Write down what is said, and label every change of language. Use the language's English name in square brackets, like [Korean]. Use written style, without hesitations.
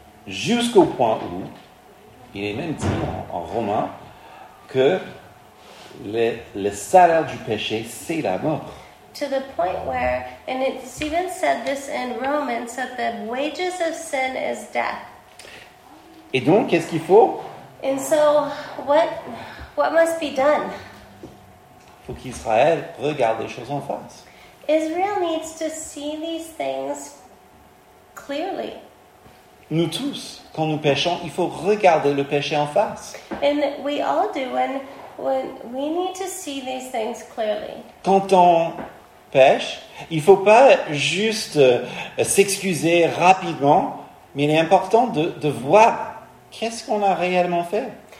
[French] Jusqu'au point où il est même dit en romain que le salaire du péché, c'est la mort. [English] To the point where, and it's even said this in Romans, that the wages of sin is death. [French] Et donc, qu'est-ce qu'il faut? [English] And so, what must be done? [French] Il faut qu'Israël regarde les choses en face. [English] Israel needs to see these things clearly. [French] Nous tous, quand nous péchons, il faut regarder le péché en face. [English] And we all do, when we need to see these things clearly. [French] Quand on pêche, il ne faut pas juste s'excuser rapidement, mais il est important de voir qu'est-ce qu'on a réellement fait.